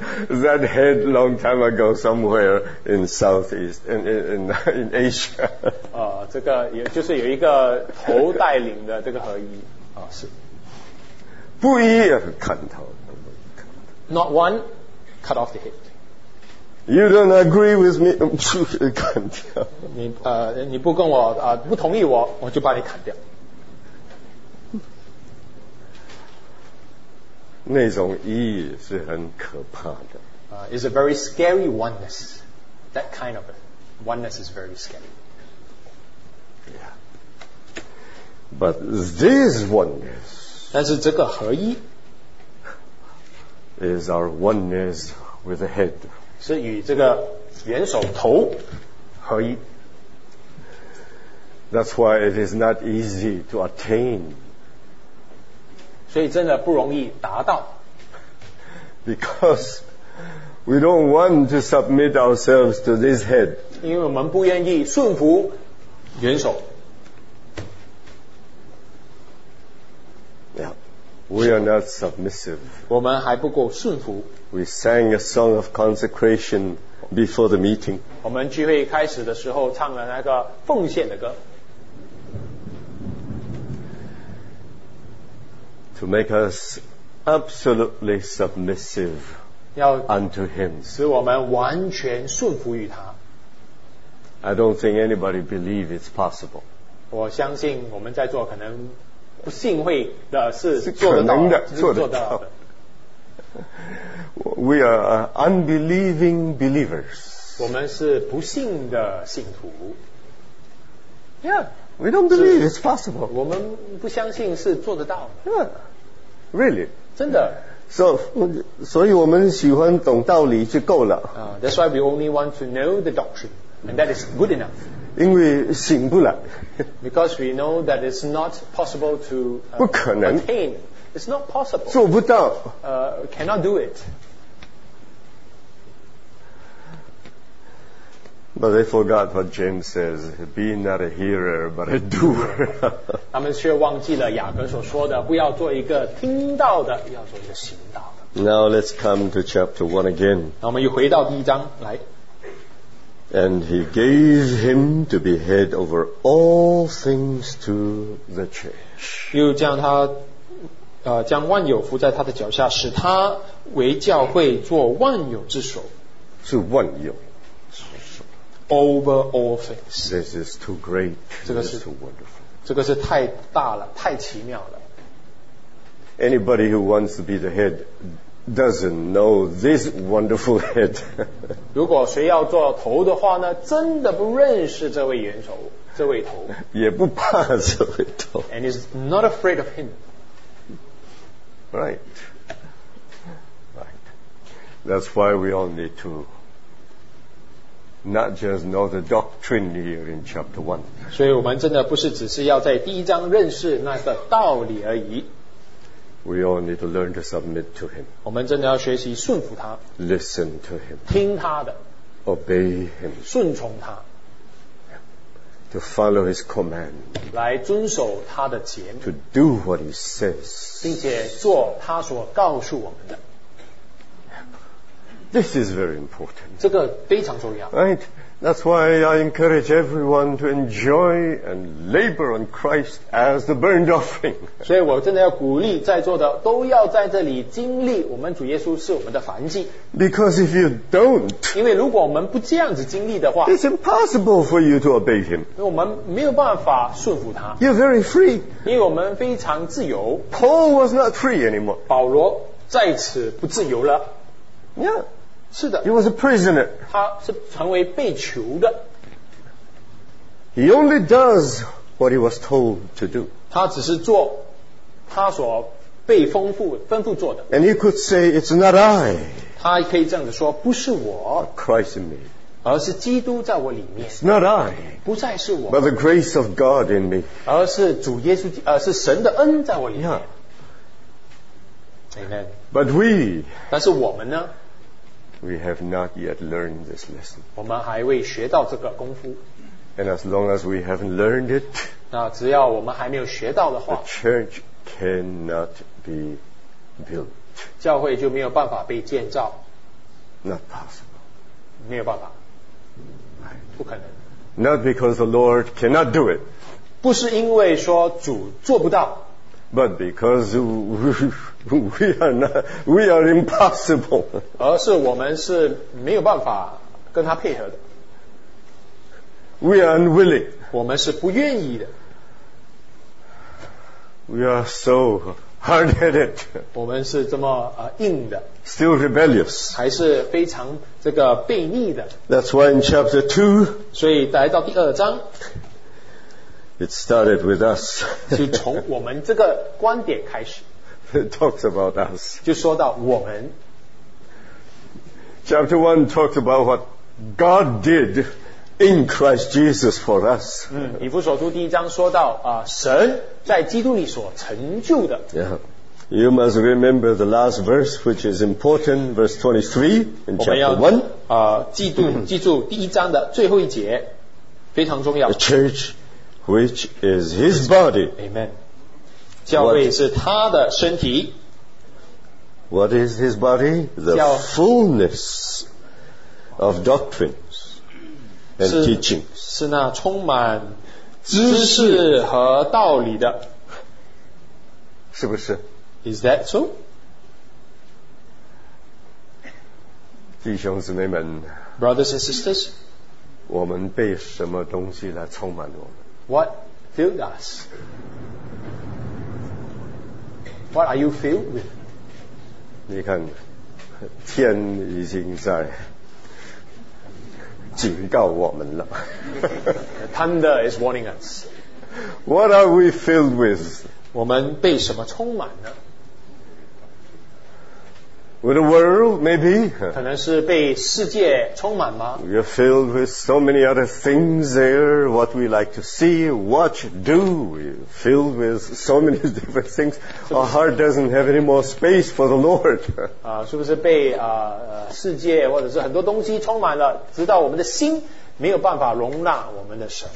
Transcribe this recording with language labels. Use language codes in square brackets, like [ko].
[en] That head long time ago somewhere in Southeast, in Asia. [zh] 这个也就是有一个头带领的这个合一。是。不一样砍头 [en] Not one cut off the head. You don't agree with me, [zh] 砍掉。你不跟我不同意我，我就把你砍掉。那种意义是很可怕的。 [en] It's a very scary oneness. That kind of oneness is very scary. Yeah. But this oneness. [zh] 但是这个合一 [en] is our oneness with the head [zh] 是与这个元首头合一。 [en] That's why it is not easy to attain. [zh] 所以真的不容易达到。 [en] Because we don't want to submit ourselves to this head. [zh] 因为我们不愿意顺服元首。 [en] We are not submissive. [zh] 我们还不够顺服。 [en] We sang a song of consecration before the meeting. [zh] 我们聚会开始的时候唱了那个奉献的歌。 [en] To make us absolutely submissive unto Him. [zh] 使我们完全顺服于他。 [en] I don't think anybody believes it's possible. [zh] 我相信我们在座可能不信会的是做得到的，做得到的。 [en] We are unbelieving believers. [zh] 我们是不信的信徒。 [en] Yeah, we don't believe it's possible. [zh] 我们不相信是做得到。 [en] Yeah, really? [zh] 真的。所以我们喜欢懂道理就够了。 [en] That's why we only want to know the doctrine, and that is good enough. [zh] 因为醒不来 [en] because we know that it's not possible to [zh] 不可能 [en] attain. It's not possible. [zh] 做不到 [en] cannot do it. But they forgot what James says: be not a hearer but a doer. [zh] 他们却忘记了雅各所说的，不要做一个听到的，要做一个行道的。 [en] Now let's come to chapter one again. [zh] 那我们又回到第一章来。 [en] And he gave him to be head over all things to the church. [zh] 又将他将万有伏在他的脚下，使他为教会做万有之首。是万有。 [en] Over all things. This is too great. This is too wonderful. [zh] 这个是太大了，太奇妙了。 [en] Anybody who wants to be the head doesn't know this wonderful head. [zh] 如果谁要做头的话呢，真的不认识这位元首，这位头。也不怕这位头。 [en] And is not afraid of him. Right. Right. That's why we all need to not just know the doctrine here in chapter 1. [zh] 所以我们真的不是只是要在第一章认识那个道理而已。 [en] We all need to learn to submit to him. [zh] 我们真的要学习顺服他。 [en] Listen to him. [zh] 听他的。 [en] Obey him. [zh] 顺从他。 [en] To follow his command. [zh] 来遵守他的诫命。 [en] To do what he says. [zh] 并且做他所告诉我们的。 [en] This is very important. [zh] 这个非常重要。 [en] Right? That's why I encourage everyone to enjoy and labor on Christ as the burnt offering. [zh] 所以我真的要鼓励在座的都要在这里经历我们主耶稣是我们的燔祭。 [en] Because if you don't, [zh] 因为如果我们不这样子经历的话， [en] it's impossible for you to obey him. [zh] 因为我们没有办法顺服他。 [en] You're very free. [zh] 因为我们非常自由。 [en] Paul was not free anymore. [zh] 保罗在此不自由了。 [en] Yeah. [zh] 是的。 [en] He was a prisoner. [zh] 他是成为被囚的。 [en] He only does what he was told to do. [zh] 他只是做他所被吩咐做的。 [en] And he could say, it's not I. [zh] 他可以这样子说，不是我。 [en] But Christ in me. [zh] 而是基督在我里面。 [en] It's not I. [zh] 不再是我。 [en] But the grace of God in me. [zh] 而是主耶稣，是神的恩在我里面。 [en] Yeah. Amen. But we, [zh] 但是我们呢? [en] We have not yet learned this lesson. [zh] 我们还未学到这个功夫。 [en] And as long as we haven't learned it, [zh] 那只要我们还没有学到的话, [en] the church cannot be built. [zh] 教会就没有办法被建造。 [en] Not possible. [zh] 没有办法。不可能。 [en] Not because the Lord cannot do it. [zh] 不是因为说主做不到。 [en] But because we are impossible. [zh] 而是我们是没有办法跟他配合的。 [en] We are unwilling. [zh] 我们是不愿意的。 [en] We are so hard-headed. [zh] 我们是这么硬的。 [en] Still rebellious. [zh] 还是非常这个悖逆的。 [en] That's why in chapter 2. [zh] 所以来到第二章。 [en] It started with us. [zh] 就从我们这个观点开始。 [en] It talks about us. [zh] 就说到我们。 [en] Chapter 1 talks about what God did in Christ Jesus for us. [zh] 以弗所书第一章说到神在基督里所成就的。 [en] Yeah. You must remember the last verse, which is important, verse 23 in chapter 1. [zh] 记住第一章的最后一节，非常重要。 [en] The church. Which is his body. [zh] Amen. 教会是他的身体。 [en] What is his body? The fullness of doctrines and teachings. [zh] 是那充满知识和道理的。是不是? [en] Is that so? [zh] 弟兄姊妹们。 [en] Brothers and sisters. [zh] 我们被什么东西来充满我们? [en] What filled us? What are you filled with? [zh] 你看，天已经在警告我们了。 [en] Thunder is warning us. What are we filled with? [zh] 我们被什么充满呢? [en] With the world, maybe? [zh] 可能是被世界充满吗? [en] We're filled with so many other things there, what we like to see, watch, do. We're filled with so many different things. Our heart doesn't have any more space for the Lord. [zh] 是不是被世界或者是很多东西充满了，直到我们的心没有办法容纳我们的神。